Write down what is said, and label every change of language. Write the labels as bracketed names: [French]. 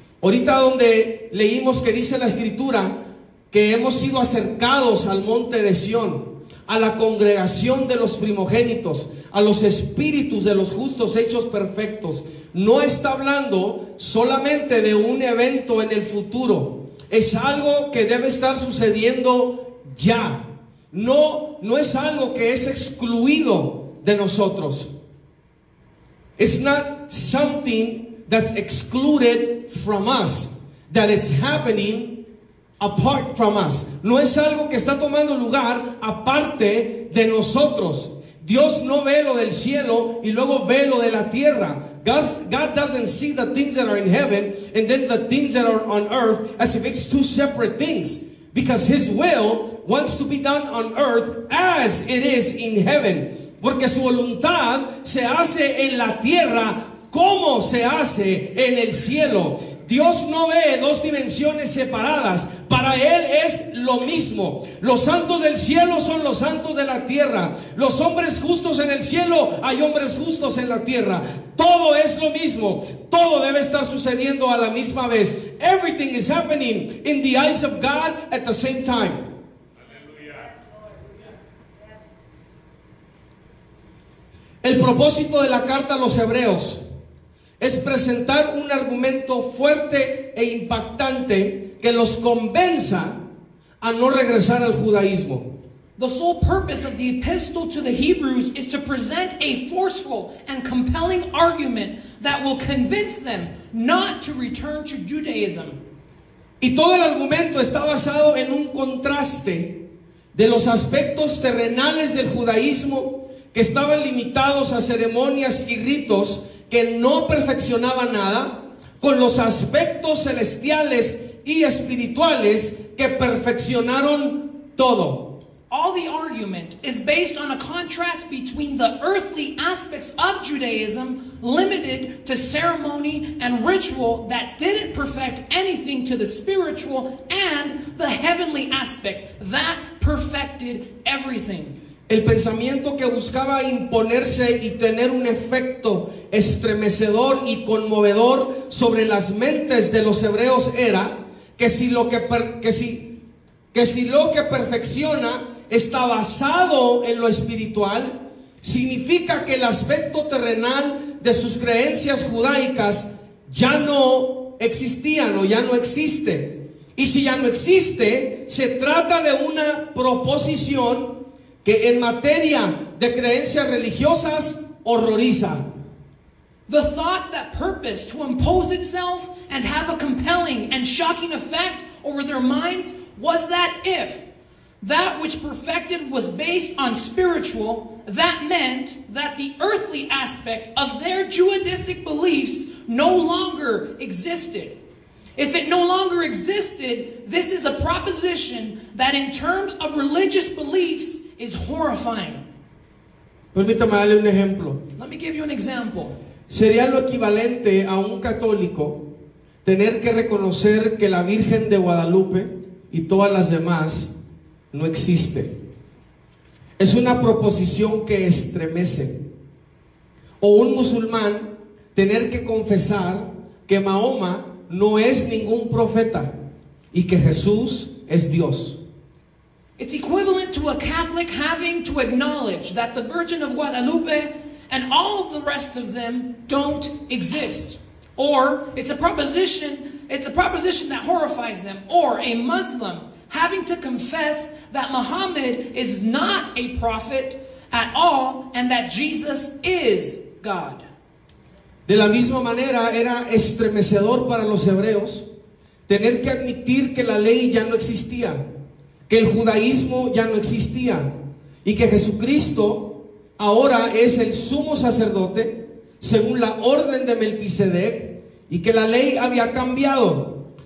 [Spanish] Ahorita donde leímos que dice la escritura que hemos sido acercados al monte de Sion, a la congregación de los primogénitos, a los espíritus de los justos hechos perfectos. No está hablando solamente de un evento en el futuro. Es algo que debe estar sucediendo ya. No es algo que es excluido de nosotros. [English] It's not something that's excluded from us, that it's happening apart from us. [Spanish] No es algo que está tomando lugar aparte de nosotros. Dios no ve lo del cielo y luego ve lo de la tierra. [English] God doesn't see the things that are in heaven and then the things that are on earth as if it's two separate things. Because his will wants to be done on earth as it is in heaven. [Spanish] Porque su voluntad se hace en la tierra como se hace en el cielo. Dios no ve dos dimensiones separadas. Para él es lo mismo. Los santos del cielo son los santos de la tierra. Los hombres justos en el cielo, hay hombres justos en la tierra. Todo es lo mismo. Todo debe estar sucediendo a la misma vez. [English] Everything is happening in the eyes of God at the same time. [Spanish] El propósito de la carta a los Hebreos es presentar un argumento fuerte e impactante que los convenza a no regresar al judaísmo. [English] The sole purpose of the epistle to the Hebrews is to present a forceful and compelling argument that will convince them not to return to Judaism. [Spanish] Y todo el argumento está basado en un contraste de los aspectos terrenales del judaísmo que estaban limitados a ceremonias y ritos que no perfeccionaba nada, con los aspectos celestiales y espirituales que perfeccionaron todo. [English] All the argument is based on a contrast between the earthly aspects of Judaism limited to ceremony and ritual that didn't perfect anything to the spiritual and the heavenly aspect that perfected everything. [Spanish] El pensamiento que buscaba imponerse y tener un efecto estremecedor y conmovedor sobre las mentes de los hebreos era que si lo que perfecciona está basado en lo espiritual, significa que el aspecto terrenal de sus creencias judaicas ya no existían o ya no existe. Y si ya no existe, se trata de una proposición que en materia de creencias religiosas horroriza. [English] The thought that purpose to impose itself and have a compelling and shocking effect over their minds was that if that which perfected was based on spiritual, that meant that the earthly aspect of their Judaistic beliefs no longer existed. If it no longer existed, this is a proposition that in terms of religious beliefs is horrifying. [Spanish] Permítame darle un ejemplo. [English] Let me give you an example. [Spanish] Sería lo equivalente a un católico tener que reconocer que la Virgen de Guadalupe y todas las demás no existe. Es una proposición que estremece. O un musulmán tener que confesar que Mahoma no es ningún profeta y que Jesús es Dios. [English] It's equivalent to a Catholic having to acknowledge that the Virgin of Guadalupe and all the rest of them don't exist. Or it's a proposition that horrifies them. Or a Muslim having to confess that Muhammad is not a prophet at all and that Jesus is God. [Spanish] De la misma manera, era estremecedor para los hebreos tener que admitir que la ley ya no existía, que el judaísmo ya no existía, y que Jesucristo ahora es el sumo sacerdote según la orden de Melquisedec, y que la ley había cambiado.